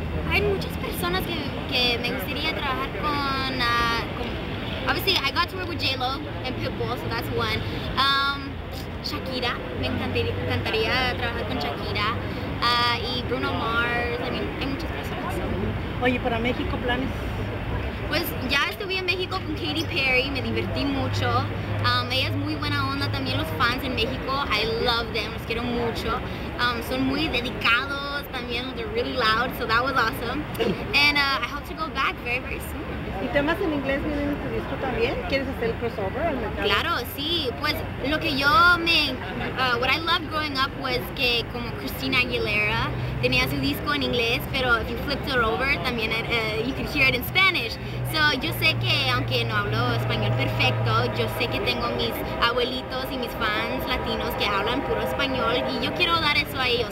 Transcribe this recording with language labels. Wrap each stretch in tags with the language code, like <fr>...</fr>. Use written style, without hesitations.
<es>Hay muchas personas que me gustaría trabajar con...</es> <en>Obviously, I got to work with J-Lo and Pitbull, so that's one.</en> <es>Shakira, me encantaría trabajar con Shakira. Y Bruno Mars,</es> <en>I mean,</en> <es>hay muchas personas. Oye, ¿para México planes? Pues ya estuve en México con Katy Perry, me divertí mucho. Ella es muy buena onda, también los fans en México,</es> <en>I love them,</en> <es>los quiero mucho. Son muy dedicados también,</es> <en>they're really loud, so that was awesome. And I hope to go back very, very soon.</en> <es>¿Y temas en inglés vienen en tu disco también? ¿Quieres hacer el crossover al mercado? Claro, sí. Pues lo que yo me...</es> <en>what I loved growing up was</en> <es>que como Christina Aguilera tenía su disco en inglés, pero</es> <en>if you flipped it over,</en> <es>también</es> <en>you could hear it in Spanish.</en> <es>So yo sé que aunque no hablo español perfecto, yo sé que tengo mis abuelitos y mis fans latinos que hablan puro español y yo quiero dar eso a ellos.</es>